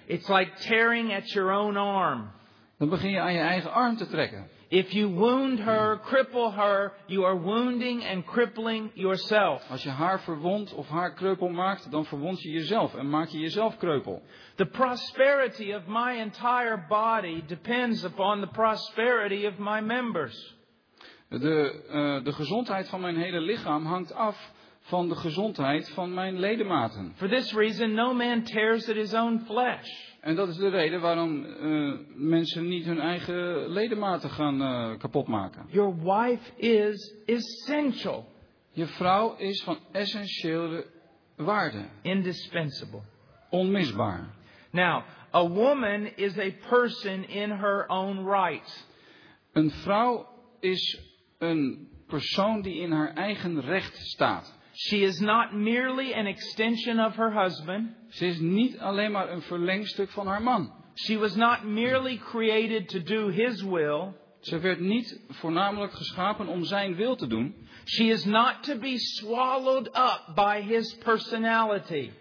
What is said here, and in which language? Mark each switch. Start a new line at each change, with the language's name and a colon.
English: It's like tearing at your own arm.
Dutch: Dan begin je aan je eigen arm te trekken.
English: If you wound her, cripple her, you are wounding and crippling yourself.
Dutch: Als je haar verwondt of haar kreupel maakt, dan verwond je jezelf en maak je jezelf kreupel.
English: The prosperity of my entire body depends upon the prosperity of my members.
Dutch: De gezondheid van mijn hele lichaam hangt af van de gezondheid van mijn ledematen.
English: For this reason, no man tears at his own flesh.
Dutch: En dat is de reden waarom mensen niet hun eigen ledematen gaan kapotmaken.
English: Your wife is essential.
Dutch: Je vrouw is van essentiële waarde.
English: Indispensable.
Dutch: Onmisbaar.
English: Now, a woman is a person in her own right.
Dutch: Een vrouw is een persoon die in haar eigen recht staat.
English: She is not merely an extension of her husband.
Dutch: Ze is niet alleen maar een verlengstuk van haar man.
English: She was not merely created to do his will.
Dutch: Ze werd niet voornamelijk geschapen om zijn wil te doen.
English: She is not to be swallowed up by his personality.